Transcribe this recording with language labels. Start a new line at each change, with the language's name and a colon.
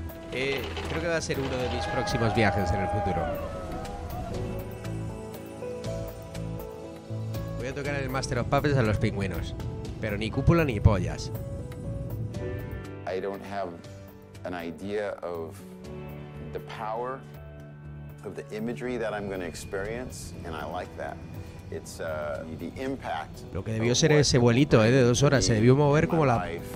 Spanish: Creo que va a ser uno de mis próximos viajes en el futuro. Voy a tocar en el Master of Puppets a los pingüinos, pero ni cúpula ni pollas.
English: I don't have an idea of the power of the imagery that I'm going to experience, and I like that. It's the impact.
Spanish: Lo que debió ser ese vuelito, de 2 horas, se debió mover como la.